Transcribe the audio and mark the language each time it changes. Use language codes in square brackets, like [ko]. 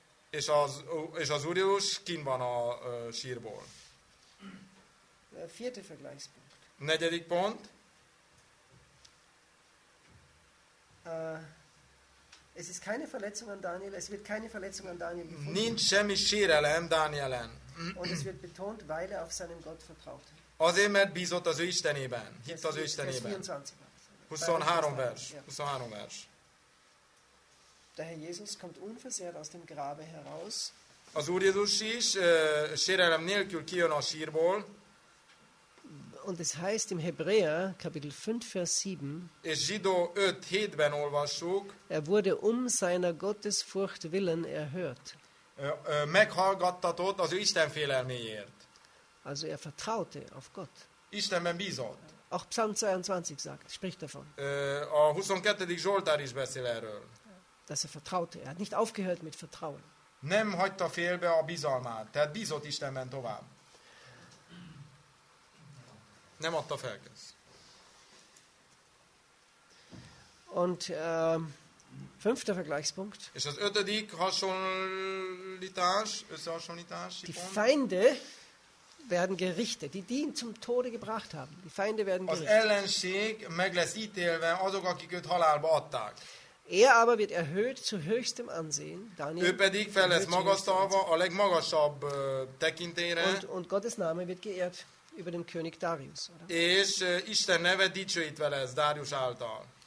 [hu] És az Úr Jézus kint van a sírból. [de] Vierte Vergleichspunkt. [hu] Negyedik pont. [de] Es ist keine Verletzung an Daniel, es wird keine Verletzung an Daniel gefunden. [hu] Nincs semmi sérelem Dánielen. [de] Und es wird betont, weil er auf seinem Gott vertraut. [hu] Azért, mert bízott az ő Istenében. Hitt az ő Istenében. 23 vers. 23 vers. [de] Der Herr Jesus kommt unversehrt aus dem Grabe heraus. [hu] Az Úr Jézus is sérelem nélkül kijön a sírból. [de] Und es heißt im Hebräer, Kapitel 5, Vers 7, [hu] és Zsidó 5:7-ben olvassuk, [de] er wurde um seiner Gottesfurcht willen erhört. [hu] Meghallgattatott az ő Isten félelméért. [de] Also er vertraute auf Gott. [hu] Istenben bízott. [de] Auch Psalm 22 sagt, spricht davon. [hu] A 22. Zsoltár is beszél erről. [de] Dass er vertraute, er hat nicht aufgehört mit Vertrauen. [hu] Nem hagyta félbe a bizalmát, tehát bízott Istenben tovább. Nem adta fel kezd. [de] Und fünfter Vergleichspunkt. [hu] És az ötödik hasonlítás, összehasonlítás. [de] Die Feinde werden gerichtet, die ihn zum Tode gebracht haben. Die Feinde werden gerichtet. [hu] Az ellenség meg lesz ítélve azok, akik őt halálba adták. [de] Er aber wird erhöht zu höchstem Ansehen. Daniel, [hu] ő pedig fel lesz magasztalva a legmagasabb tekintélyre. [de] Und Gottes Name wird geehrt über den König Darius. Oder? [hu] És Isten neve dicsőítve lesz Darius által.